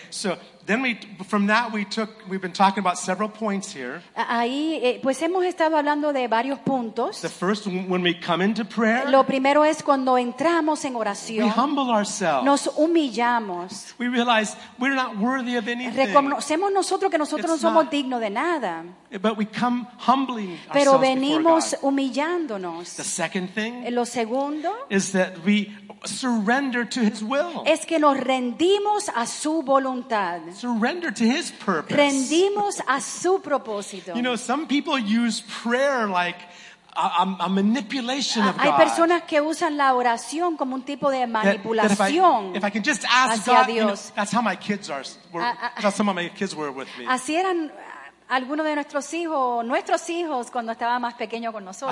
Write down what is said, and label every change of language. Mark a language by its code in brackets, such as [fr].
[en] So then we've been talking about several points here. [es] Ahí, pues hemos estado hablando de varios puntos. [en] The first, when we come into prayer, [es] lo primero es cuando entramos en oración. [en] We humble ourselves. [es] Nos humillamos. [en] We realize we're not worthy of anything. [es] Reconocemos nosotros que nosotros no somos dignos de nada. [en] But we come humbling ourselves before God. [es] Pero venimos humillándonos. [en] The second thing, [es] lo segundo, [en] is that we surrender to His will. [es] Es que nos rendimos a su voluntad. [en] Surrender to His purpose. [es] Rendimos a su propósito. [en] You know, some people use prayer like a manipulation of God. [es] Hay personas que usan la oración como un tipo de manipulación. [en] If I can just ask God, you know, that's how my kids are. That's how some of my kids were with me. [es] Así eran algunos de nuestros hijos cuando estaba más pequeño con nosotros.